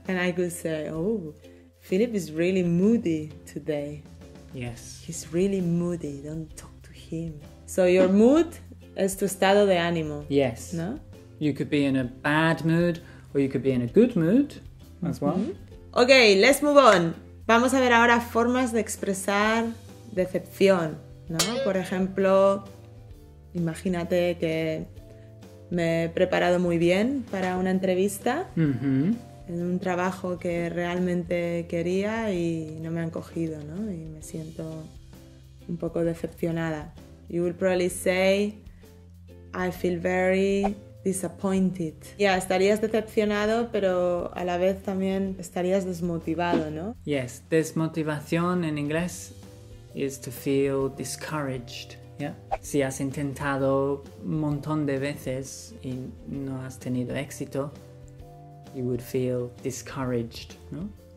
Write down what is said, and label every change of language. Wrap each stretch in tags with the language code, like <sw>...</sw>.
<en>And I could say, oh, Philip is really moody today. Yes. He's really moody. Don't talk to him. So your mood is</en> <es>tu estado de ánimo.</es> <en>Yes. No? You could be in a bad mood or you could be in a good mood as well. Mm-hmm. Okay, let's move on.</en> <es>Vamos a ver ahora formas de expresar decepción, ¿no? Por ejemplo, imagínate que me he preparado muy bien para una entrevista en un trabajo que realmente quería y no me han cogido, ¿no? Y me siento un poco decepcionada.</es> <en>You will probably say, I feel very disappointed.</en> <es>Yeah, estarías decepcionado, pero a la vez también estarías desmotivado, ¿no?</es> <en>Yes,</en> <es>desmotivación en inglés</es> <en>is to feel discouraged.</en> <es>Yeah. Si has intentado un montón de veces y no has tenido éxito,</es> <en>you would feel discouraged,</en> <es>¿no?</es>